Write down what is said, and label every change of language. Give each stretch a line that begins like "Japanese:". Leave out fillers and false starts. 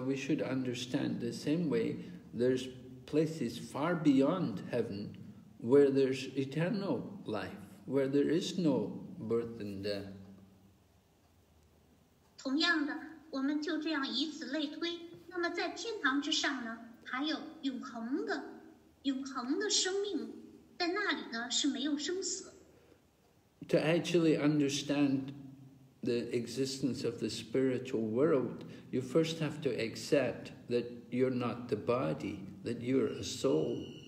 English: we should understand the same way, there's places far beyond heaven where there's eternal life, where there is no birth and death.
Chinese: 同样的，我们就这样以此类推，那么在天堂之上呢，还有永恒的生命，在那里呢是没有生死。
English: To actually understand the existence of the spiritual world, you first have to accept that you're not the body, that you're a soul.